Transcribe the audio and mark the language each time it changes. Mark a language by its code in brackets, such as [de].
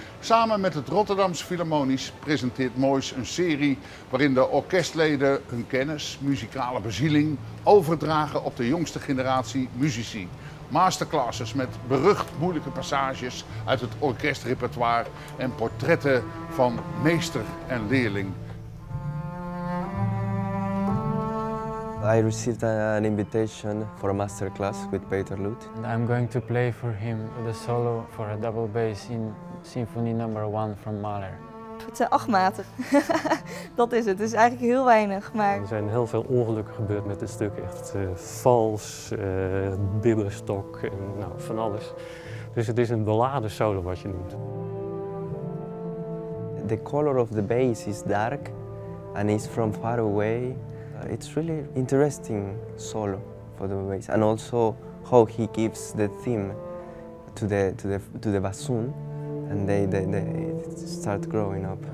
[nl] Samen met het Rotterdamse Philharmonisch presenteert Moyse een serie waarin de orkestleden hun kennis, muzikale bezieling overdragen op de jongste generatie muzici. Masterclasses met berucht moeilijke passages uit het orkestrepertoire en portretten van meester en leerling. [en] I received an invitation for a masterclass with Peter Luth. I'm going to play for him the solo for a double bass in Symphony No. 1 from Mahler. [nl] Het zijn 8 maten. Dat is het. Het is eigenlijk heel weinig. Maar... Er zijn heel veel ongelukken gebeurd met dit stuk. Echt vals, bibberstok en nou, van alles. Dus het is een beladen solo wat je noemt. [en] The color of the bass is dark and is from far away. It's really interesting solo for the bass and also how he gives the theme to the bassoon and they start growing up.